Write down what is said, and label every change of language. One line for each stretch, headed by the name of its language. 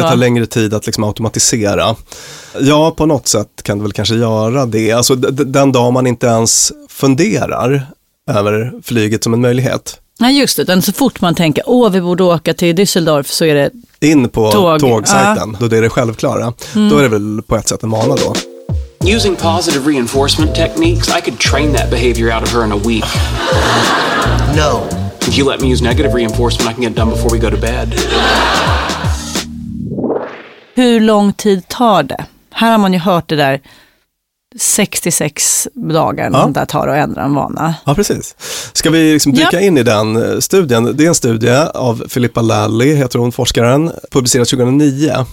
Swedish: Det tar längre tid att liksom automatisera. Ja, på något sätt kan det väl kanske göra det. Alltså den dag man inte ens funderar över flyget som en möjlighet. Nej, just det. Så fort man tänker, åh, vi borde åka till Düsseldorf, så är det in på tågsajten. Då är det självklara. Då är det väl på ett sätt en vana då.
English: Using positive reinforcement techniques, I could train that behavior out of her in a week. No. If you let me use negative reinforcement, I can get it done before we go to bed.
Swedish: Hur lång tid tar det? Här har man ju hört det där 66 dagar där tar att ändra en vana. Ja, precis. Ska vi liksom dyka in i den studien? Det är en studie av Filippa Lally, heter hon, forskaren. Publicerad 2009.